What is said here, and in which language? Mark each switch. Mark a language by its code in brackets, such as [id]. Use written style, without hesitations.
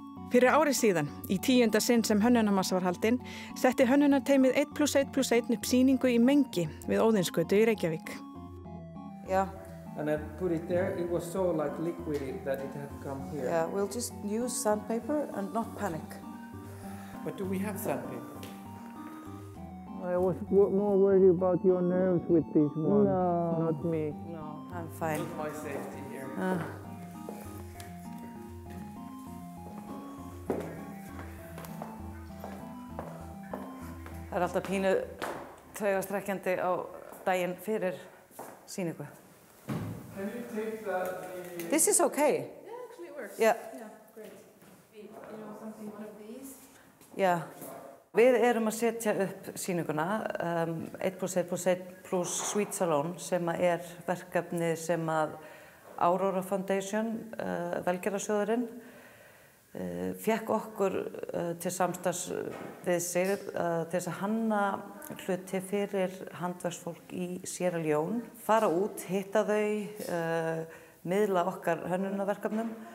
[is] Fyrir ári síðan, í tíunda sinn sem hönnunamassa var haldin, setti hönnunateymið 1+1+1 upp sýningu í mengi við Óðinsgötu í Reykjavík. Já. [en] And I put it there, it was so like liquidy that it had come here. Yeah, we'll just use sandpaper and not panic. But do we have sandpaper? I was more worried about your nerves with this one. No. Not me. No. I'm fine. Not my safety here. [is] Það er alltaf pínu taugastrekkjandi á daginn fyrir sýningu. [en] Can you take that the... This is okay. Yeah, actually it works. Yeah. Yeah, great. You know, something one of these? Yeah. [is] Við erum að setja upp sýninguna, 1+1+1+ Sweet Salon, sem er verkefni sem að Aurora Foundation, velgerðarsjóðurinn, fékk okkur til samstarfs við sig til þess að hanna hluti fyrir handverksfólk í Sierra Leone, fara út, hitta þau, miðla okkar hönnunarverkefnum.